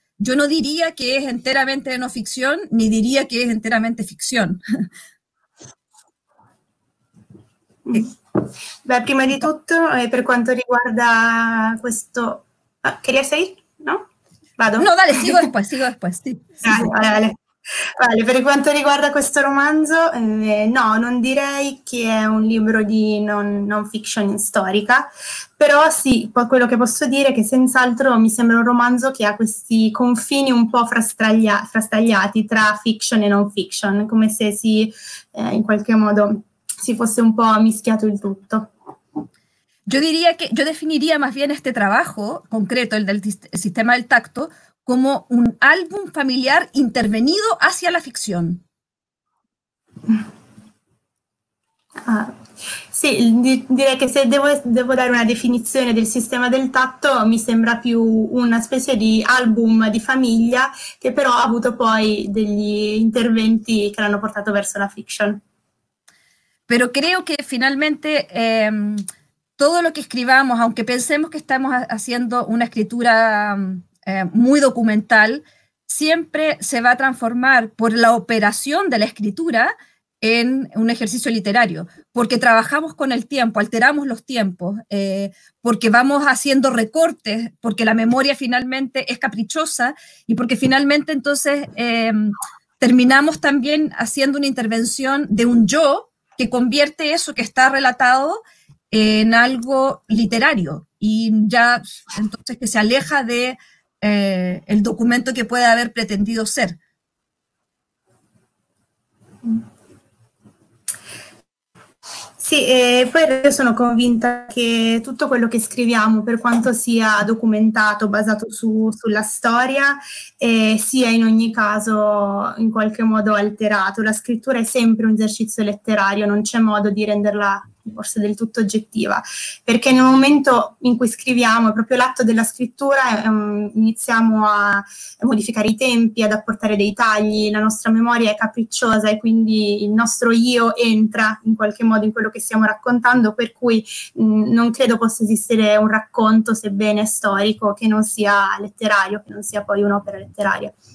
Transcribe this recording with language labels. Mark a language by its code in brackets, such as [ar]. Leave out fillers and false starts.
[es] Yo no diría que es enteramente no ficción, ni diría que es enteramente ficción. [it] Beh, prima di tutto, per quanto riguarda questo... [es] ¿Querías seguir? ¿No? [it] Vado. [es] No, dale, sigo después. [it] Sì. [es] Vale. [it] Vale, per quanto riguarda questo romanzo, no, non direi che è un libro di non fiction storica, però sì, quello che posso dire è che senz'altro mi sembra un romanzo che ha questi confini un po' frastagliati tra fiction e non fiction, come se si in qualche modo si fosse un po' mischiato il tutto. [es] Io definiria más bien este trabajo concreto, el del sistema del tacto, como un álbum familiar intervenido hacia la ficción. [it] Sì, direi che se devo dare una definizione del sistema del tatto, mi sembra più una specie di album di famiglia che però ha avuto poi degli interventi che l'hanno portato verso la fiction. [es] Pero creo que finalmente todo lo que escribamos, aunque pensemos que estamos haciendo una escritura muy documental, siempre se va a transformar por la operación de la escritura en un ejercicio literario, porque trabajamos con el tiempo, alteramos los tiempos, porque vamos haciendo recortes, porque la memoria finalmente es caprichosa y porque finalmente entonces terminamos también haciendo una intervención de un yo que convierte eso que está relatado en algo literario y ya entonces que se aleja de el documento que puede haber pretendido ser. [it] Sì, poi io sono convinta che tutto quello che scriviamo, per quanto sia documentato, basato sulla storia, sia in ogni caso in qualche modo alterato. La scrittura è sempre un esercizio letterario, non c'è modo di renderla forse del tutto oggettiva, perché nel momento in cui scriviamo, proprio l'atto della scrittura, iniziamo a modificare i tempi, ad apportare dei tagli, la nostra memoria è capricciosa e quindi il nostro io entra in qualche modo in quello che stiamo raccontando, per cui non credo possa esistere un racconto, sebbene storico, che non sia letterario, che non sia poi un'opera letteraria.